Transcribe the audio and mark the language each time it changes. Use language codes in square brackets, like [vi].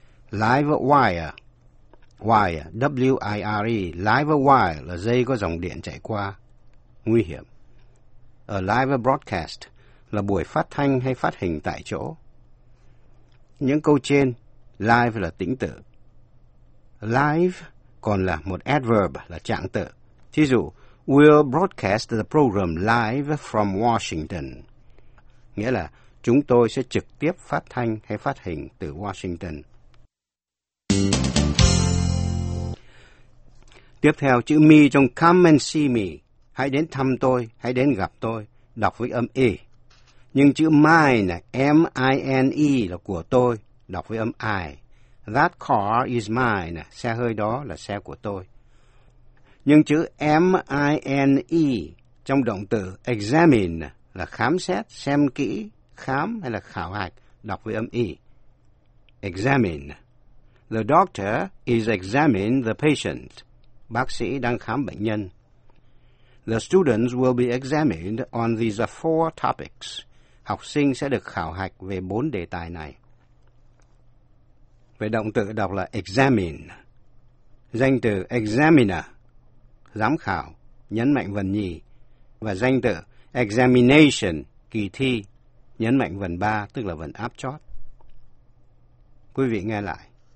[vi] Live wire, wire, W-I-R-E, live wire là dây có dòng điện chạy qua, nguy hiểm. A live broadcast là buổi phát thanh hay phát hình tại chỗ. Những câu trên, live là tĩnh tự. Live còn là một adverb, là trạng tự. Thí dụ, [en] we'll broadcast the program live from Washington. [vi] Nghĩa là chúng tôi sẽ trực tiếp phát thanh hay phát hình từ Washington. Tiếp theo, chữ me trong [en] come and see me. [vi] hãy đến thăm tôi, hãy đến gặp tôi, đọc với âm E. Nhưng chữ mine, M-I-N-E, là của tôi, đọc với âm I. [en] That car is mine, [vi] xe hơi đó là xe của tôi. Nhưng chữ M-I-N-E trong động từ examine là khám xét, xem kỹ, khám hay là khảo hạch, đọc với âm E. Examine. [en] The doctor is examining the patient. [vi] Bác sĩ đang khám bệnh nhân. [en] The students will be examined on these four topics. [vi] Học sinh sẽ được khảo hạch về bốn đề tài này. Về động từ đọc là examine. Danh từ examiner, giám khảo, nhấn mạnh vần nhì. Và danh từ examination, kỳ thi, nhấn mạnh vần ba, tức là vần áp chót. Quý vị nghe lại.